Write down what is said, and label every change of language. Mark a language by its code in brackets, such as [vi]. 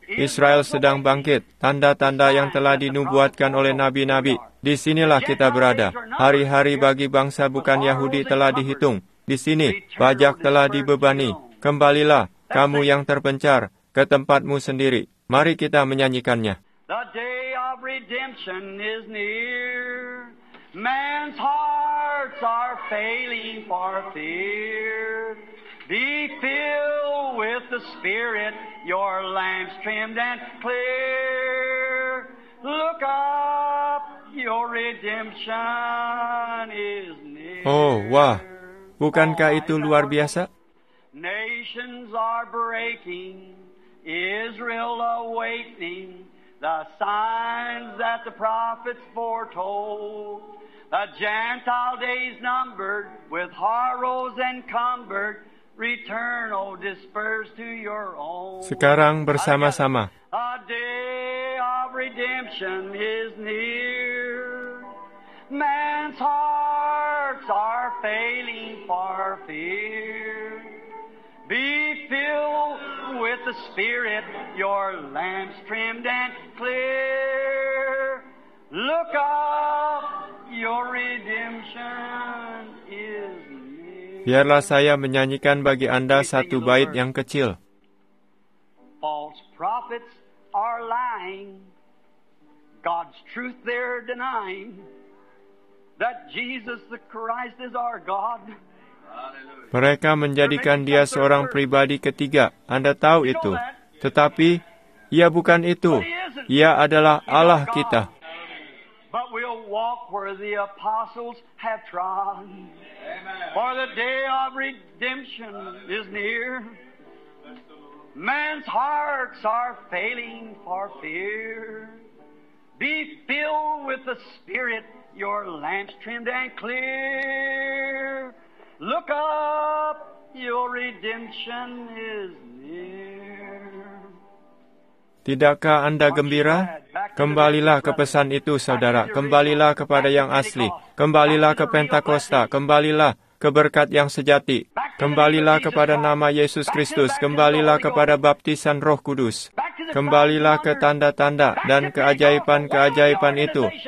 [id] Israel sedang bangkit. Tanda-tanda yang telah dinubuatkan oleh nabi-nabi. Di sinilah kita berada. Hari-hari bagi bangsa bukan Yahudi telah dihitung. Di sini, pajak telah dibebani. Kembalilah, kamu yang terpencar, ke tempatmu sendiri. Mari kita menyanyikannya. [en] The day of redemption is near. Man's hearts are failing for fear. Be filled with the Spirit, your lamps trimmed and clear. Look up, your redemption is near. Oh, wah. [id] Bukankah itu luar biasa? [en] Nations are breaking, Israel awakening, the signs that the prophets foretold. The Gentile days numbered, with horrors encumbered, return, O disperse to your own. [id] Sekarang bersama-sama. [en] A day of redemption is near. Man's hearts are failing for fear. Be filled with the Spirit, your lamps trimmed and clear. Look up, your redemption is near. [id] Biarlah saya menyanyikan bagi Anda satu bait yang kecil. [en] False prophets are lying, God's truth they're denying. That Jesus the Christ is our God. [id] Mereka menjadikan dia seorang pribadi ketiga. Anda tahu itu. Tetapi, ia bukan itu. Ia adalah Allah kita. [en] But we'll walk where the apostles have trod. For the day of redemption is near. Men's hearts are failing for fear. Be filled with the Spirit. Your lamps trimmed and clear. Look up, your redemption is near. [id] Tidakkah Anda gembira? Kembalilah ke pesan itu, saudara. Kembalilah kepada yang asli. Kembalilah ke Pentakosta. Kembalilah ke berkat yang sejati. Kembalilah kepada nama Yesus Kristus. Kembalilah kepada baptisan Roh Kudus. Kembalilah ke tanda-tanda dan keajaiban-keajaiban itu.